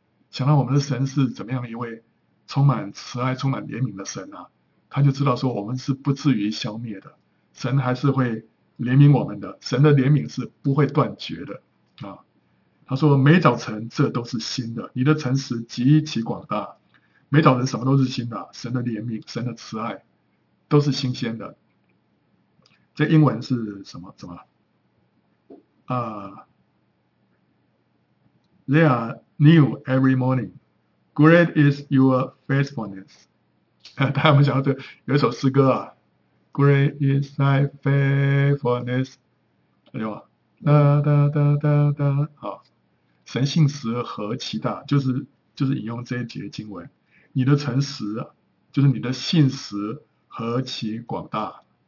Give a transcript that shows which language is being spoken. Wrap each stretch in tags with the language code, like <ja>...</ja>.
<zh>想到我们的神是怎么样一位充满慈爱充满怜悯的神啊，他就知道说我们是不至于消灭的，神还是会怜悯我们的，神的怜悯是不会断绝的啊。他说每早晨这都是新的，你的诚实极其广大。每早晨什么都是新的，神的怜悯神的慈爱都是新鲜的。这英文是什么怎么</zh> <en>They are new every morning. Great is your faithfulness.</en> <zh>大家有没有想到这有一首诗歌啊 ?</zh> <en>Great is thy faithfulness.</en> <zh>对吧，哒哒哒哒哒。好。神信实何其大，就是引用这一节经文。你的诚实就是你的信实何其广大。</zh>